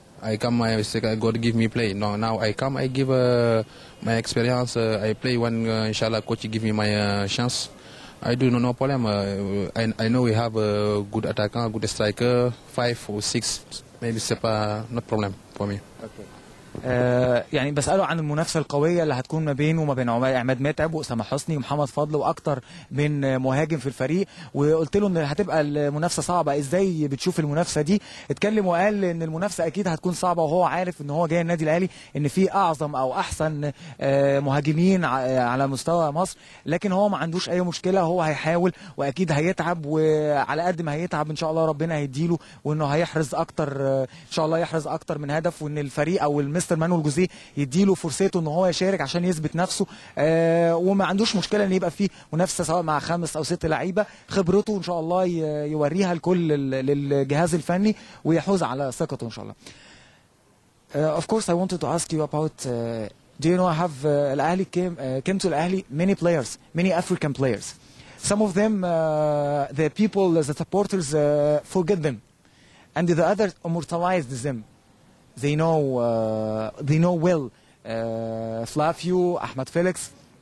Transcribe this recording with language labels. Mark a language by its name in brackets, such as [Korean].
[English] I come. I say God give me play. No. Now I come. I give my experience. I play when inshallah coach give me my chance. I do no problem. I know we have a good attacker, good striker, five or six, maybe sepa, not problem for me. Okay. [Arabic] يعني بساله عن المنافسه القويه اللي هتكون ما بينه وما بين عماد متعب واسامه حسني ومحمد فضل واكتر من مهاجم في الفريق، وقلت له ان هتبقى المنافسه صعبه، ازاي بتشوف المنافسه دي؟ اتكلم وقال ان المنافسه اكيد هتكون صعبه، وهو عارف ان هو جاي النادي الاهلي ان في اعظم او احسن مهاجمين على مستوى مصر، لكن هو ما عندوش اي مشكله، هو هيحاول واكيد هيتعب، وعلى قد ما هيتعب ان شاء الله ربنا هيديله، وانه هيحرز اكتر ان شاء الله يحرز اكتر من هدف، وان الفريق او المستر مانويل جوزيه يديله فرصته ان هو يشارك عشان يثبت نفسه، وما عندوش مشكله ان يبقى فيه منافسه سواء مع 5 أو 6 لعيبه، خبرته ان شاء الله يوريها لكل للجهاز الفني ويحوز على ثقته ان شاء الله. [English] Of course I wanted to ask you about do you know I have الاهلي came to الاهلي many players, many African players. Some of them the people, the supporters forget them. And the others immortalized them. They know well Flavio, Ahmed Felix.